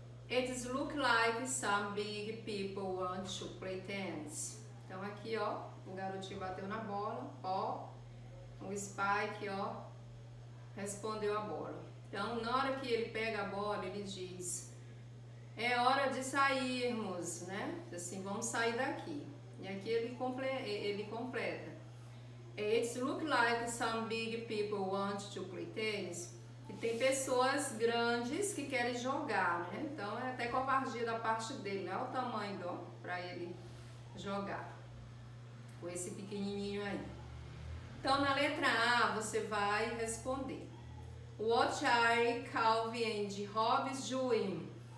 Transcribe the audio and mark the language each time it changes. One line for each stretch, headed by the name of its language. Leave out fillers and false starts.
English: It looks like some big people want to play tennis.
Portuguese: Então aqui, ó, o garotinho bateu na bola, ó, o Spike, ó, respondeu a bola. Então na hora que ele pega a bola, ele diz, é hora de sairmos, né? Assim, vamos sair daqui. E aqui ele completa.
English: It looks like some big people want to play tennis.
Portuguese: E tem pessoas grandes que querem jogar, né? Então é até covardia da parte dele, né? Olha o tamanho do para ele jogar com esse pequenininho aí. Então na letra A você vai responder:
English: What are Calvin and Hobbes doing?